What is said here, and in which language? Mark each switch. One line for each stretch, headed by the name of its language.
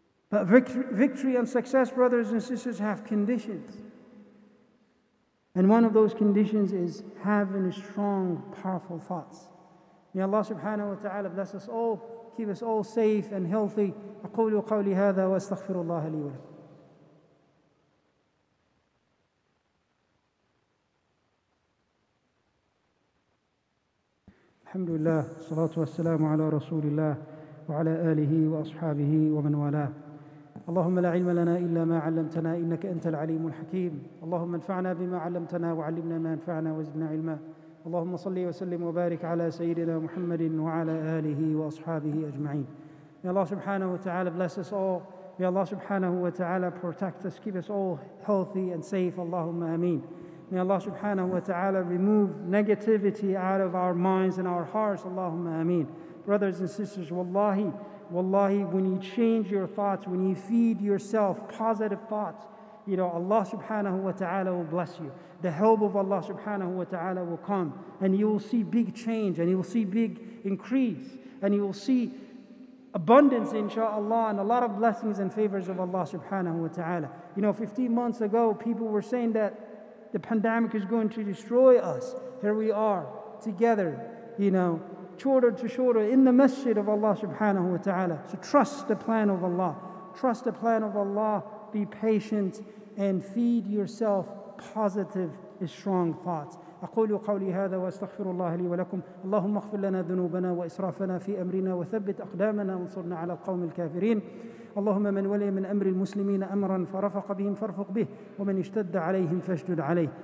English: But victory and success, brothers and sisters, have conditions. And one of those conditions is having strong, powerful thoughts. May Allah subhanahu wa ta'ala bless us all, keep us all safe and healthy.
Arabic: أقول قولي هذا وأستغفر الله لي ولكم. الحمد لله والصلاة والسلام على رسول الله وعلى آله وأصحابه ومن والاه. اللهم لا علم لنا إلا ما علمتنا إنك أنت العليم الحكيم. اللهم انفعنا بما علمتنا وعلمنا ما انفعنا وزدنا علما. اللهم صلِّ وسلِّم وبارك على سيدنا محمدٍ وعلى آله وأصحابه أجمعين.
English: May Allah subhanahu wa ta'ala bless us all. May Allah subhanahu wa ta'ala protect us, keep us all healthy and safe. Allahumma ameen. May Allah subhanahu wa ta'ala remove negativity out of our minds and our hearts. Allahumma ameen. Brothers and sisters, Wallahi, when you change your thoughts, when you feed yourself positive thoughts, you know, Allah subhanahu wa ta'ala will bless you. The help of Allah subhanahu wa ta'ala will come. And you will see big change, and you will see big increase. And you will see abundance, inshallah, and a lot of blessings and favors of Allah subhanahu wa ta'ala. You know, 15 months ago, people were saying that the pandemic is going to destroy us. Here we are, together, you know, shoulder to shoulder in the masjid of Allah subhanahu wa ta'ala. So trust the plan of Allah. Trust the plan of Allah. Be patient and feed yourself positive, strong thoughts.
Arabic: أقول قولي هذا وأستغفر الله لي ولكم. اللهم اغفر لنا ذنوبنا وإسرافنا في أمرنا وثبت أقدامنا وانصرنا على القوم الكافرين. اللهم من ولي من أمر المسلمين أمرا فرفق بهم فارفق به، ومن اشتد عليهم فاشدد عليه.